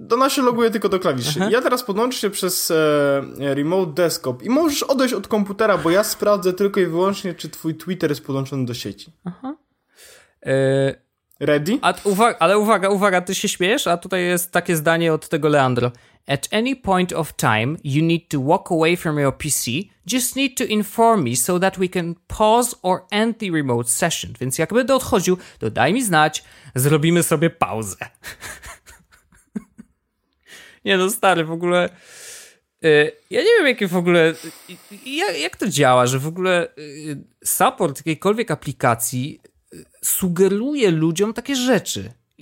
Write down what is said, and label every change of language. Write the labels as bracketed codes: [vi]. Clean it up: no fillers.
[pl] Ona się loguje tylko do klawiszy. Aha. Ja teraz podłączę się przez remote desktop i możesz odejść od komputera, bo ja sprawdzę tylko i wyłącznie, czy twój Twitter jest podłączony do sieci. Aha. [en] Ready? [pl] Uwaga, ty się śmiejesz, a tutaj jest takie zdanie od tego Leandro. [en] At any point of time, you need to walk away from your PC, just need to inform me so that we can pause or end the remote session. [pl] Więc jak będę odchodził, to daj mi znać, zrobimy sobie pauzę. Nie no, stary, w ogóle... Ja nie wiem, jakie w ogóle... Jak to działa, że w ogóle support jakiejkolwiek aplikacji sugeruje ludziom takie rzeczy.